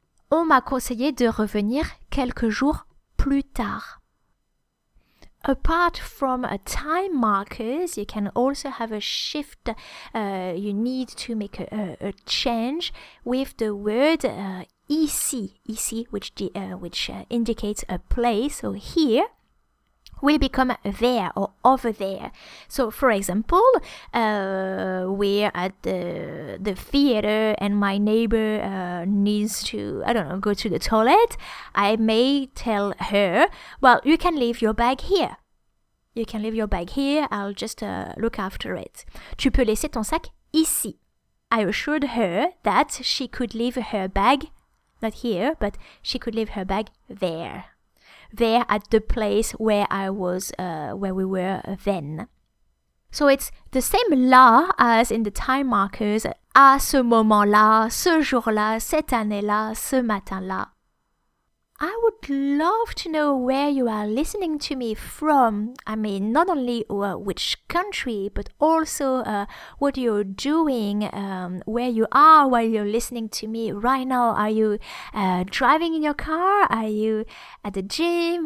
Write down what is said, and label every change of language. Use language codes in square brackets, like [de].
[fr] On m'a conseillé de revenir quelques jours plus tard. [en] Apart from time markers, you can also have a shift. You need to make a change with the word ici, which indicates a place. So here will become there or over there. So for example, we're at the theater and my neighbor needs to, I don't know, go to the toilet. I may tell her, well, you can leave your bag here. You can leave your bag here, I'll just look after it. Tu peux laisser ton sac ici. I assured her that she could leave her bag, not here, but she could leave her bag there. There at the place where I was, where we were then. So it's the same là as in the time markers. [fr] À ce moment-là, ce jour-là, cette année-là, ce matin-là. [en] I would love to know where you are listening to me from. I mean, not only which country, but also what you're doing, where you are while you're listening to me right now. Are you driving in your car? Are you at the gym?